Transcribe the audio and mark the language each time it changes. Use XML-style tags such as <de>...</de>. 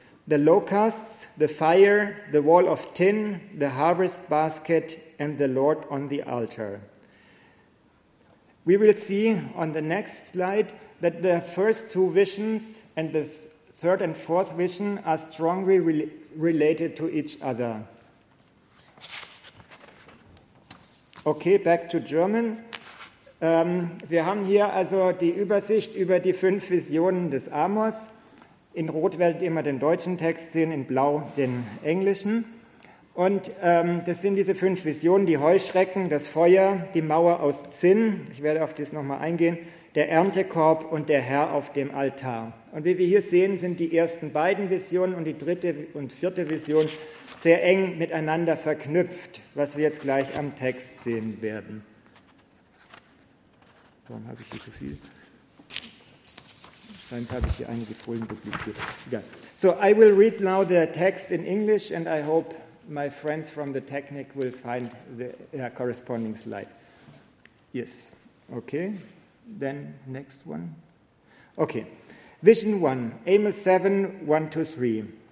<en>The locusts, the fire, the wall of tin, the harvest basket, and the Lord on the altar. We will see on the next slide that the first two visions and the third and fourth vision are strongly related to each other. Okay, back to German.</en> <de>Wir haben hier also die Übersicht über die fünf Visionen des Amos. In Rot werdet ihr immer den deutschen Text sehen, in Blau den englischen. Und das sind diese fünf Visionen, die Heuschrecken, das Feuer, die Mauer aus Zinn, ich werde auf das nochmal eingehen, der Erntekorb und der Herr auf dem Altar. Und wie wir hier sehen, sind die ersten beiden Visionen und die dritte und vierte Vision sehr eng miteinander verknüpft, was wir jetzt gleich am Text sehen werden. Warum habe ich hier so viel? Sonst habe ich hier einige Folien publiziert. Ja.</de> <en>So, I will read now the text in English and I hope my friends from the technique will find the corresponding slide. Yes. Okay. Then next one. Okay. Vision 1, Amos 7, 1-3.</en>